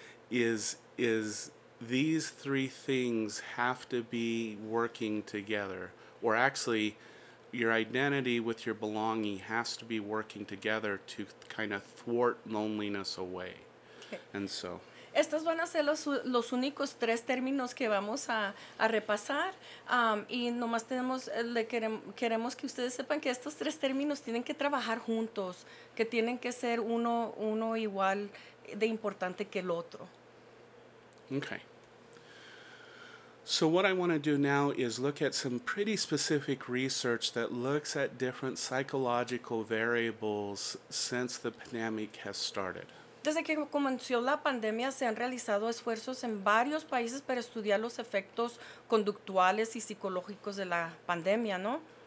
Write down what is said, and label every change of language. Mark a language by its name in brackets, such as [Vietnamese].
[English] is these three things have to be working together, or actually your identity with your belonging has to be working together to kind of thwart loneliness away. Okay. And so [Spanish] estos van a ser los únicos tres términos que vamos a repasar. Y nomás queremos que ustedes sepan que estos tres términos tienen que trabajar juntos, que tienen que ser uno igual de importante que el otro. Okay. [English] So what I want to do now is look at some pretty specific research that looks at different psychological variables since the pandemic has started. [Spanish] Desde que comenzó la pandemia se han realizado esfuerzos en varios países para estudiar los efectos conductuales y psicológicos de la pandemia, ¿no?